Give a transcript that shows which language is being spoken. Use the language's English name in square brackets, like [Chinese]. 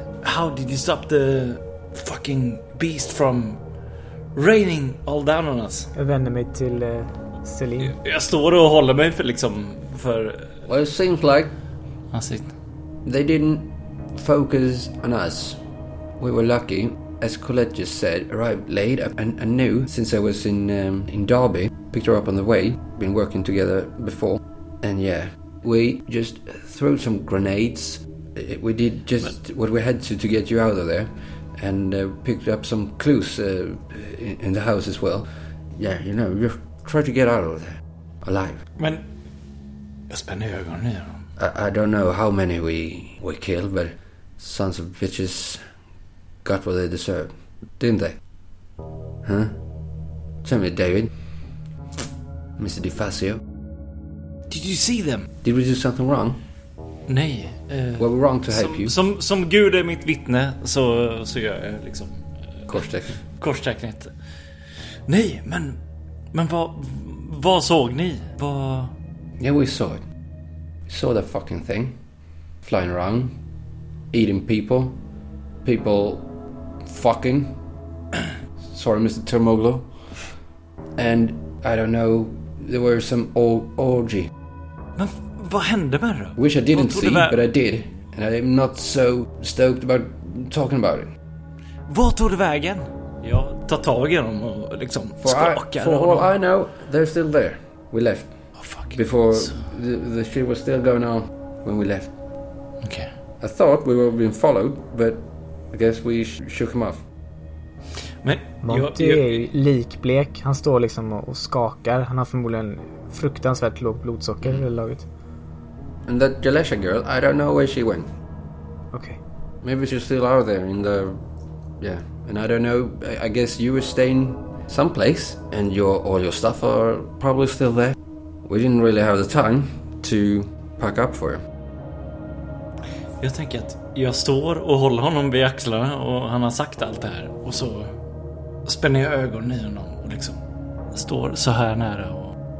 [English] How did you stop the fucking beast from raining all down on us? [Swedish] Jag vänder mig till Celine. Jag står och håller mig för liksom för... [English] Well, it seems like they didn't focus on us. We were lucky, as Colette just said, arrived late. I knew, since I was in Derby, picked her up on the way, been working together before. And yeah, we just threw some grenades. We did just what we had to get you out of there. And picked up some clues in the house as well. Yeah, you know, you try to get out of there alive. [Swedish] Men, jag spänner ögonen nu. [English] I don't know how many we killed, but sons of bitches got what they deserved, didn't they? Huh? Tell me, David. Mr. DeFazio. Did you see them? Did we do something wrong? [Swedish] Nej. [English] Were we wrong to help you? [Swedish] Som Gud är mitt vittne så gör jag liksom... Korstecknet. Nej, men vad såg ni? [English] Yeah, we saw it. Saw the fucking thing flying around, eating people fucking sorry Mr. Termoglu, and I don't know, there were some orgy. [Swedish] Men vad hände med det? [English] Wish I didn't see, but I did, and I'm not so stoked about talking about it. [Swedish] Vad tog det vägen? Jag tar tag i dem och liksom skakar. [English] For all I know, they're still there. We left. Before the shit was still going on when we left. Okay. I thought we were being followed, but I guess we shook him off. [Swedish] Men Monty är likblek. Han står liksom och skakar. Han har förmodligen fruktansvärt låg blodsocker i laget. [English] And that Jalesha girl, I don't know where she went. Okay. Maybe she's still out there in the... Yeah. And I don't know, I guess you were staying someplace and all your stuff are probably still there. We didn't really have the time to pack up for him. [Swedish] Jag tänker att jag står och håller honom vid axlarna och han har sagt allt det här. Och så spänner jag ögonen i honom och liksom står så här nära.